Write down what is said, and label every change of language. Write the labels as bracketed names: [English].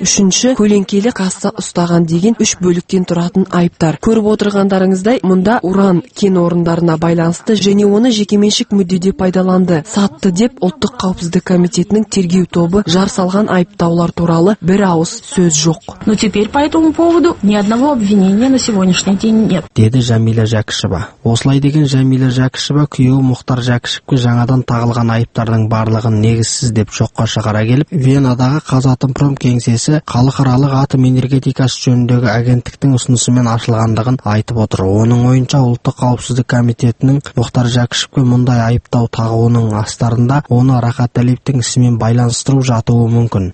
[Kazakh] Үшінші, көлеңкелі қасты ұстаған деген үш бөліктен тұратын айыптар. Көріп отырғандарыңыздай, мұнда уран кен орындарына байланысты және оны жекеменшік мүддеде пайдаланды, сатты деп Ұлттық қауіпсіздік комитетінің тергеу тобы жар салған айыптаулар туралы бір ауыз сөз жоқ. [Russian] Но теперь по этому поводу ни одного обвинения на сегодняшний день нет. [Kazakh] Деді Жәмилә Жәкішева. Осылай деген Жәмилә Жәкішева күйеуі Мұхтар Жәкішевке жаңадан тағылған айыптардың барлығын негізсіз деп жоққа шығара келіп, Венадағы Қазатомпром кеңсесі Халықаралық атом энергетикасы жөніндегі агенттіктің ұсынысымен ашылғандығын айтып отыр. Оның ойынша Ұлттық қауіпсіздік комитетінің Мұхтар Жәкішевке мұндай айыптау тағуының астарында оны Рахат Әлиевтің ісімен байланыстыру жатуы мүмкін.